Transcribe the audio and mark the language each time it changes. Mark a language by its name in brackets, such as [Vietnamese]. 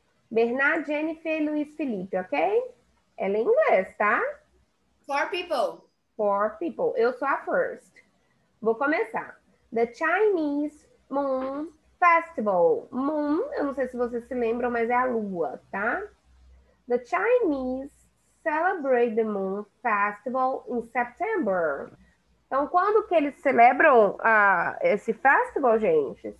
[Portuguese] Bernard, Jennifer e Luiz Felipe, ok? Ela é em inglês, tá? [English] 4 people. 4 people. [Portuguese] Eu sou a first. Vou começar. [English] The Chinese Moon Festival. [Portuguese] Moon, eu não sei se vocês se lembram, mas é a lua, tá? [English] The Chinese celebrate the Moon Festival in September. [Portuguese] Então, quando que eles celebram esse festival, gente?